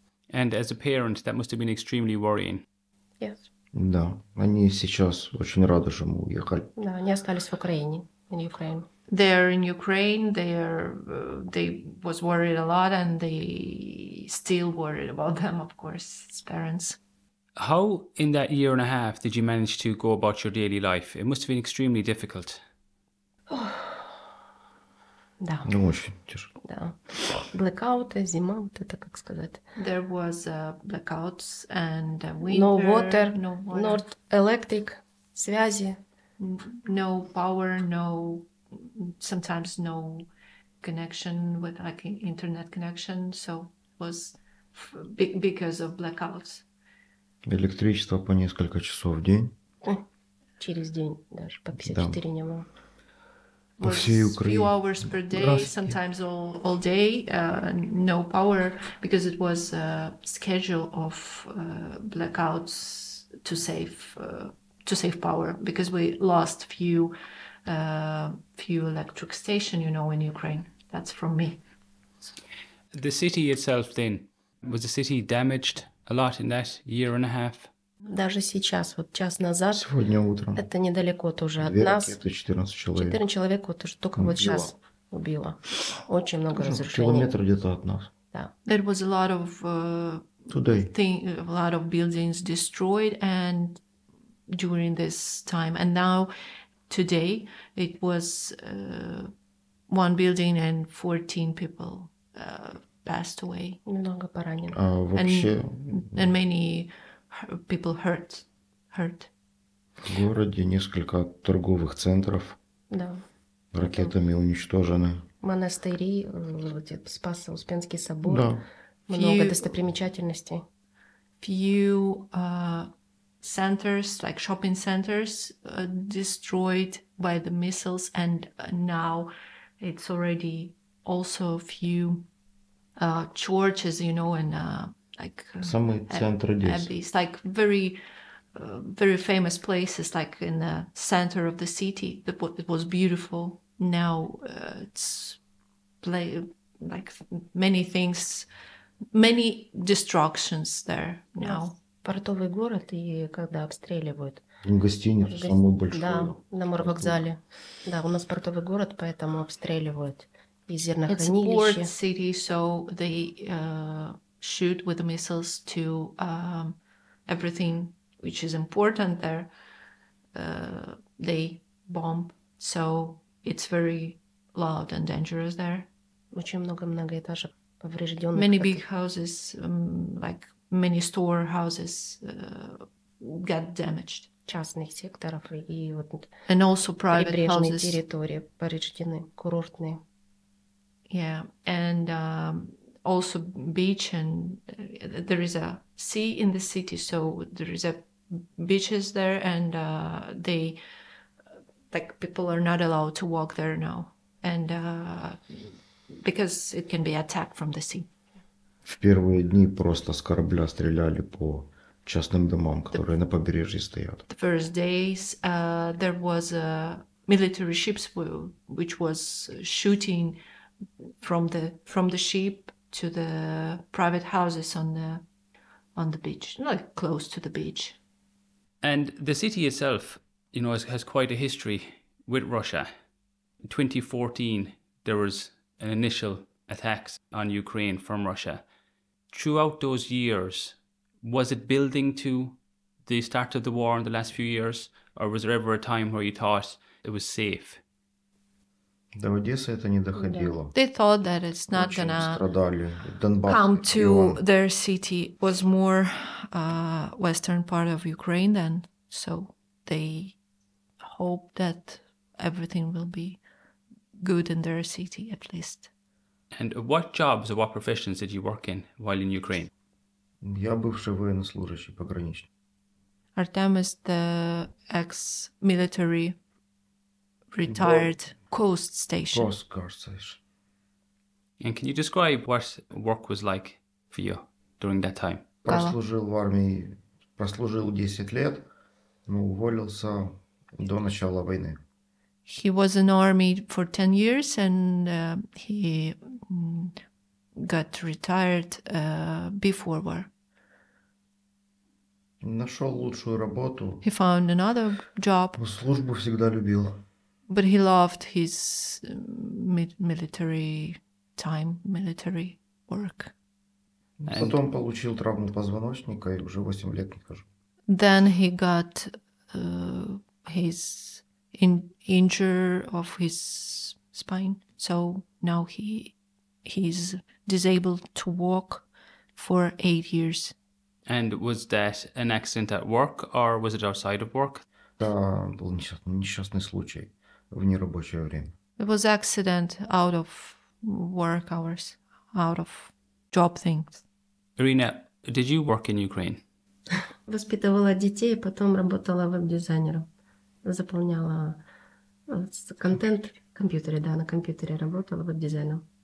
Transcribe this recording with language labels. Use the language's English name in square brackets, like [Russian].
[English] And as a parent, that must have been extremely worrying. Yes. [Russian] Да, они сейчас очень рады, что мы уехали. Да, они остались в Украине, [English] in Ukraine. They're in Ukraine. They was worried a lot, and they still worried about them, of course, as parents. How, in that year and a half, did you manage to go about your daily life? It must have been extremely difficult. [Russian] Да. Ну, очень тяжело. Да. Блэкауты, зима, вот это как сказать. [English] There was blackouts and winter. No water, not electric, [Russian] связи. [English] No power, sometimes no connection with like internet connection. So it was because of blackouts. [Russian] Электричество по несколько часов в день. Через день даже, по 54 не было. По всей Украине. [English] Few hours per day, sometimes all day, no power, because it was a schedule of blackouts to save power, because we lost few electric station, you know, in Ukraine. That's from me. The city itself then, was the city damaged a lot in that year and a half? [Russian] Даже сейчас, вот час назад, сегодня утром, это недалеко тоже от нас. 14 человек. 14 человек вот уже только вот сейчас убило. Очень много разрушений. Километр где-то от нас. Да. [English] There was a lot of a lot of buildings destroyed and during this time. And now, today, it was one building and 14 people passed away. [Russian] Много поранено. А вообще... [English] And many... People hurt. [Russian] В городе несколько торговых центров. Да. Ракетами уничтожены. Монастыри, вот Спас Успенский собор. Да. Много достопримечательностей. [English] Few centers, like shopping centers, destroyed by the missiles, and now it's already also few churches, you know, and. [Russian] Самый центр здесь. [English] Like very, very famous places, like in the center of the city. It was beautiful. Now it's like many things, many destructions there now. [Russian] Портовый город и когда обстреливают. Гостиницу самую большую. Да, на морвокзале. Да, у нас портовый город, поэтому обстреливают и зернохранилище. [English] It's port city, so they. Shoot with the missiles to everything which is important there. They bomb, so it's very loud and dangerous there. [Russian] Очень много многоэтажек повреждённых. [English] Many big houses, like many store houses, got damaged. [Russian] Частных секторов и вот. [English] And also private houses. [Russian] Прибрежные территории повреждены, курортные. [English] Yeah, and. Also beach, and there is a sea in the city, so there is a beaches there, and they like people are not allowed to walk there now, and because it can be attacked from the sea. [Russian] В первые дни просто с корабля стреляли по частным домам, которые на побережье стоят. [English] The first days there was a military ships which was shooting from the ship to the private houses on the beach, like close to the beach. And the city itself, you know, has quite a history with Russia. In 2014, there was an initial attacks on Ukraine from Russia. Throughout those years, was it building to the start of the war in the last few years, or was there ever a time where you thought it was safe? [Russian] До Одеси это не доходило. [English] They thought that it's not gonna come to their city. It was more western part of Ukraine then, so they hope that everything will be good in their city at least. And what jobs or what professions did you work in while in Ukraine? [Russian] Я бывший воєнослужащий пограничник. [English] Artem is the ex-military retired coast station. Coast guard station. And can you describe what work was like for you during that time? [Russian] Прослужив в армії, прослужив 10 лет, но уволился до начала війни. [English] He was in army for 10 years and he got retired before war. [Russian] Нашел лучшую работу. [English] He found another job. [Russian] Службу всегда любил. [English] But he loved his military time, military work. [Russian] Потом получил травму позвоночника и уже 8 лет не хожу. [English] Then he got his injury of his spine. So now he's disabled to walk for 8 years. And was that an accident at work or was it outside of work? [Russian] Да, был несчастный случай в нерабочее время. [English] It was accident out of work hours, out of job things. Iryna, did you work in Ukraine? [Russian] Воспитывала детей, потом работала веб-дизайнером. Заполняла контент в компьютере, да, на компьютере работала веб-дизайнером.